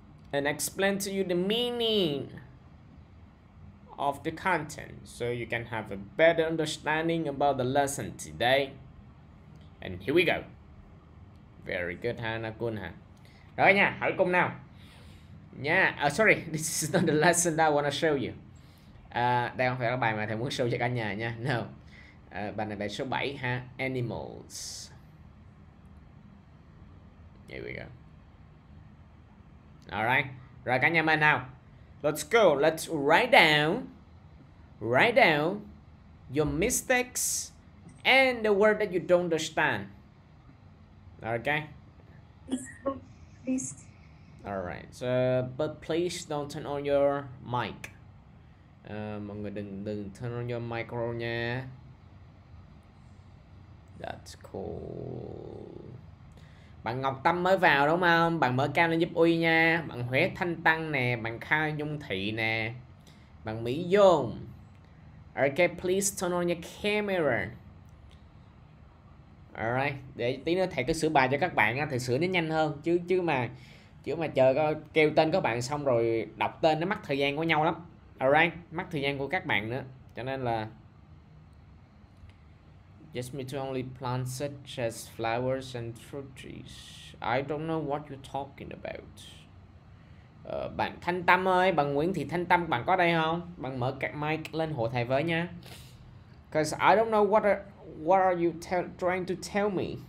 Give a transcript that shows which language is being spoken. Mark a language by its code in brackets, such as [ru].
[en] And explain to you the meaning of the content so you can have a better understanding about the lesson today. And here we go. Very good, Hanakun. Huh? [vi] Rồi nha, hỏi cùng nào. [en] Yeah, sorry, this is not the lesson that I want to show you. [vi] Đây không phải là bài mà thầy muốn show cho cả nhà nha. [en] No. [vi] Bài này bài số 7 ha, Animals. [en] Here we go. All right. [vi] Rồi cả nhà mình nào. [en] Let's go. Let's write down. Write down your mistakes and the word that you don't understand. Okay. All right. So, but please don't turn on your mic. [vi] Mọi người đừng [en] turn on your micro [vi] nha. [en] That's cool. [vi] Bạn Ngọc Tâm mới vào đúng không? Bạn mở cam lên giúp Uy nha. Bạn Huế Thanh Tăng nè. Bạn Khai Nhung Thị nè. Bạn Mỹ Dung. [en] Okay, please turn on your camera. [vi] Alright, để tí nữa thầy cứ sửa bài cho các bạn, thầy sửa nó nhanh hơn. Chứ mà chờ có kêu tên các bạn xong rồi đọc tên nó mất thời gian của nhau lắm. Alright, mất thời gian của các bạn nữa. Cho nên là [en] just me to only plant such as flowers and fruit trees. I don't know what you're talking about. [vi] Bạn Thanh Tâm ơi, bạn Nguyễn Thị Thanh Tâm, bạn có đây không? Bạn mở các mic lên hộ thầy với nha. [en] Cause I don't know what are you trying to tell me.